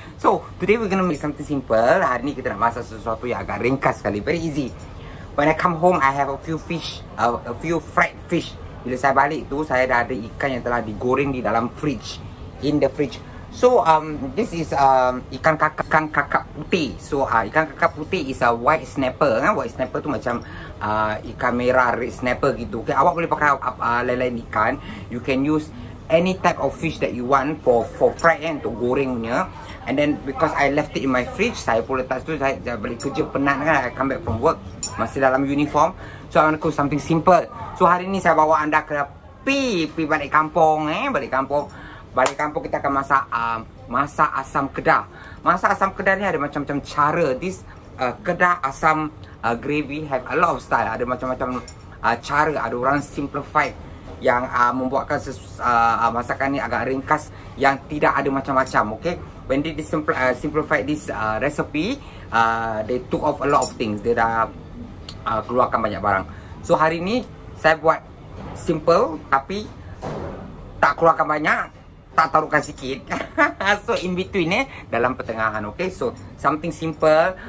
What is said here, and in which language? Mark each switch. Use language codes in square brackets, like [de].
[en] So, today we're going to make something simple. [ms] Hari ni kita nak masak sesuatu yang agak ringkas sekali. [en] Very easy. When I come home, I have a few fish. A few fried fish. [ms] Bila saya balik tu, saya dah ada ikan yang telah digoreng di dalam fridge. [en] In the fridge. So this is ikan kakap putih. [ms] So ikan kakap putih [en] is a white snapper [ms] kan? [en] White snapper [ms] tu macam ikan merah [en] red snapper [ms] gitu. Okay, awak boleh pakai lain-lain ikan. [en] You can use any type of fish that you want for fried kan, [ms] untuk gorengnya. [en] And then because I left it in my fridge, [ms] saya pun letak tu, saya balik kerja penat kan, [en] I come back from work [ms] masih dalam uniform. [en] So I want to cook something simple. [ms] So hari ni saya bawa anda ke pi balik kampung eh, balik kampung kita akan masak masak asam kedah. Masak asam kedah ni ada macam-macam cara. [en] This kedah asam gravy have a lot of style. [ms] Ada macam-macam cara. Ada orang simplified yang membuatkan masakan ni agak ringkas yang tidak ada macam-macam. [en] Okay, when they simplified this recipe, they took off a lot of things. They [ms] dah keluarkan banyak barang. [en] So [ms] hari ni saya buat simple tapi tak keluarkan banyak, tak taruhkan sikit. [en] So in between eh, [ms] dalam pertengahan. [en] Okay, so something simple.